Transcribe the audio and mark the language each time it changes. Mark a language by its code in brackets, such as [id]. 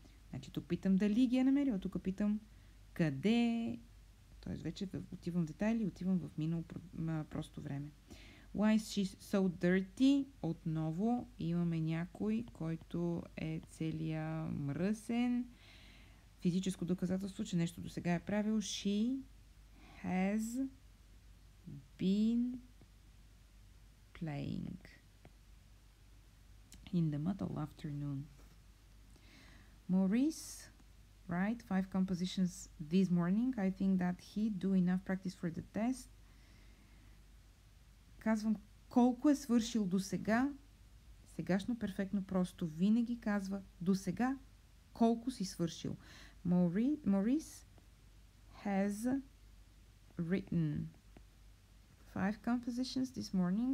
[bg] Значи тук питам дали ги е намерила, тук питам къде, т.е. вече отивам в детайли, отивам в минало просто време. [en] Why is she so dirty? [bg] Отново имаме някой, който е целия мръсен. Физическо доказателство, че нещо до сега е правил. [en] She has been playing in the mud all afternoon. Maurice, right? 5 compositions this morning. I think that he do enough practice for the test. [bg] Казвам колко е свършил до сега. Сегашно перфектно просто винаги казва до сега колко си свършил. [en] Maurice has written 5 compositions this morning.